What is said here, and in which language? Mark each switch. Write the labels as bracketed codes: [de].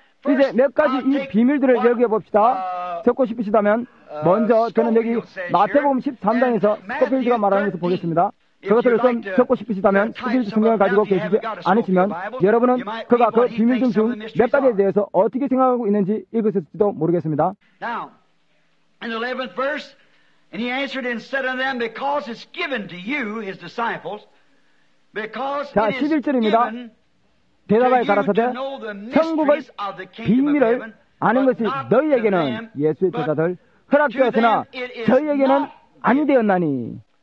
[ko] 이제 몇 가지 이 비밀들을 기억해 봅시다. 적고 싶으시다면 먼저 저는 여기 마태복음 13장에서 스코필드가 말하는 것을 보겠습니다. 그것을 좀 적고 싶으시다면 스코필드 성경을 가지고 계시지 않으시면 여러분은 그가 그 비밀 중 몇 가지에 대해서 어떻게 생각하고 있는지 읽으셨을지도 모르겠습니다. [en] Now, in the 11th verse, and he answered and said unto them, because it's given to you, his disciples, because it is given to you to know the mysteries of the kingdom of heaven, [ko] 아는 것이 너희에게는 예수의 제자들 허락되었으나 저희에게는 아니 되었나니.